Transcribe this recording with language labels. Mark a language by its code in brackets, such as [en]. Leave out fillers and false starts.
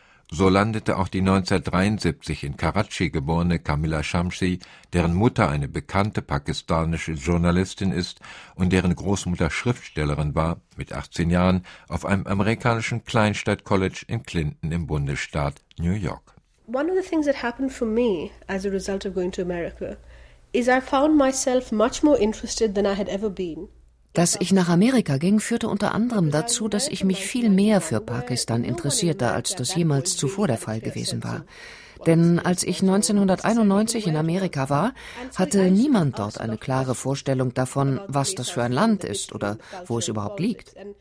[de] So landete auch die 1973 in Karachi geborene Kamila Shamsi, deren Mutter eine bekannte pakistanische Journalistin ist und deren Großmutter Schriftstellerin war, mit 18 Jahren, auf einem amerikanischen Kleinstadt-College in Clinton im Bundesstaat New York. [en] One of the things that happened for me as a result of going to America is I found myself much more interested than I had ever been. [de] Dass ich nach Amerika ging, führte unter anderem dazu, dass ich mich viel mehr für Pakistan interessierte, als das jemals zuvor der Fall gewesen war. Denn als ich 1991 in Amerika war, hatte niemand dort eine klare Vorstellung davon, was das für ein Land ist oder wo es überhaupt liegt.